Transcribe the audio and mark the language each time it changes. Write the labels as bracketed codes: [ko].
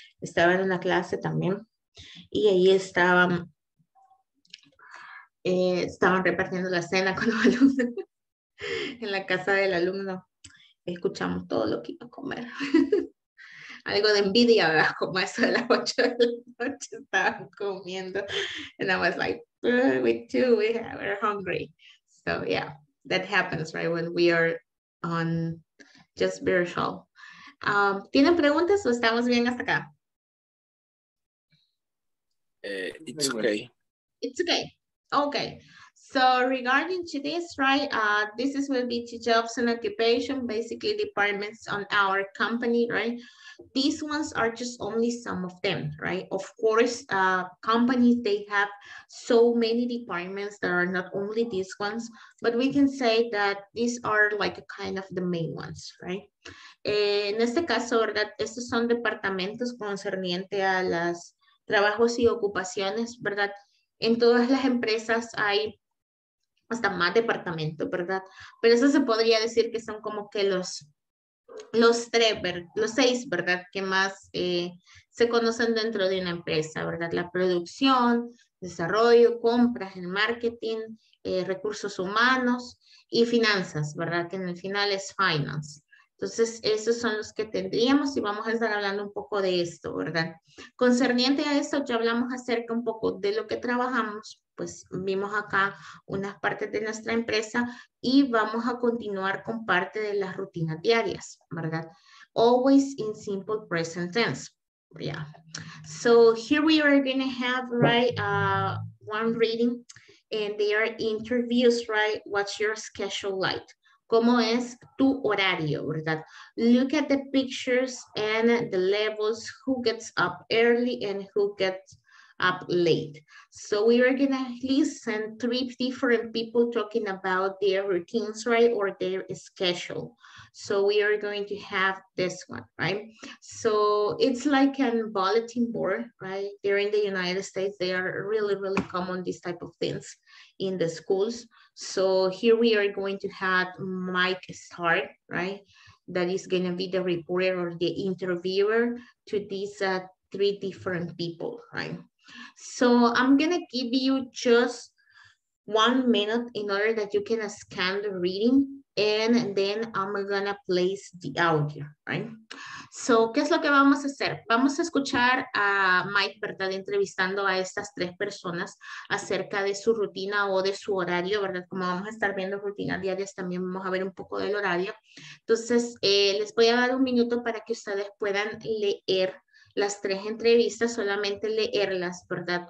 [es] Estaba en una clase también y ahí estaban repartiendo la cena con los alumnos. en la casa del alumno escuchamos todo lo que iba a comer. Algo de envidia, ¿verdad? Como eso de las 8 de la noche estaban comiendo. [en] And I was like, we too, we're hungry. So yeah, that happens, right? When we are on just virtual. [es] ¿Tienen preguntas o estamos bien hasta acá? [en] It's okay. It's okay. Okay. So regarding to this, right, this is will be to jobs and occupation, basically departments on our company, right? These ones are just only some of them, right? Of course, companies, they have so many departments that are not only these ones, but we can say that these are like a kind of the main ones, right? [es] En este caso, ¿verdad? Estos son departamentos concernientes a los trabajos y ocupaciones, ¿verdad? En todas las empresas hay hasta más departamentos, ¿verdad? Pero eso se podría decir que son como que los tres, los seis, ¿verdad? Que más se conocen dentro de una empresa, ¿verdad? La producción, desarrollo, compras, el marketing, recursos humanos y finanzas, ¿verdad? Que en el final es finance. Entonces, esos son los que tendríamos y vamos a estar hablando un poco de esto, ¿verdad? Concerniente a esto, ya hablamos acerca un poco de lo que trabajamos, pues vimos acá unas partes de nuestra empresa y vamos a continuar con parte de las rutinas diarias, ¿verdad? [en] Always in simple present tense. Yeah. So, here we are going to have, right, one reading and they are interviews, right? What's your schedule like? [es] ¿Cómo es tu horario, verdad? [en] Look at the pictures and the levels, who gets up early and who gets up late. So we are going to listen three different people talking about their routines, right, or their schedule. So we are going to have this one, right? So it's like a bulletin board, right? They're in the United States. They are really, really common, these type of things in the schools. So here we are going to have Mike Stark, right? That is going to be the reporter or the interviewer to these three different people, right? So I'm going to give you just 1 minute in order that you can scan the reading and then I'm going to place the audio, right? [es] So, ¿qué es lo que vamos a hacer? Vamos a escuchar a Mike, ¿verdad? Entrevistando a estas tres personas acerca de su rutina o de su horario, ¿verdad? Como vamos a estar viendo rutinas diarias, también vamos a ver un poco del horario. Entonces, les voy a dar un minuto para que ustedes puedan leer las tres entrevistas, solamente leerlas, ¿verdad?